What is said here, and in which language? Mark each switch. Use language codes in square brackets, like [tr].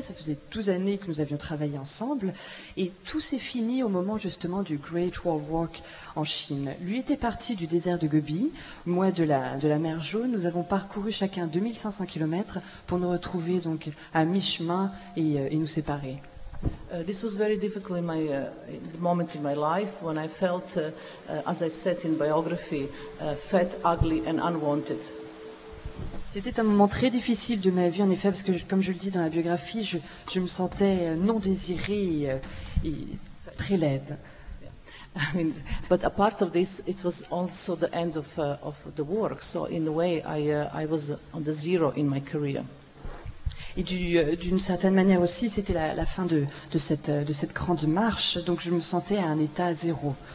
[fr] Ça faisait 12 années que nous avions travaillé ensemble. Et tout s'est fini au moment justement du Great Wall Walk en Chine. Lui était parti du désert de Gobi, moi de la mer Jaune. Nous avons parcouru chacun 2500 kilomètres pour nous retrouver donc à mi-chemin et nous séparer. [en] This was very difficult in the moment in my life when I felt, as I said in biography, fat, ugly and unwanted. [fr] C'était un moment très difficile de ma vie, en effet, parce que, comme je le dis dans la biographie, je me sentais non désirée et très laide. [en] Yeah. I mean, but apart of this, it was also the end of the work. So in a way, I was on the zero in my career. [fr] Et d'une certaine manière aussi, c'était la fin de cette grande marche. Donc je me sentais à un état zéro.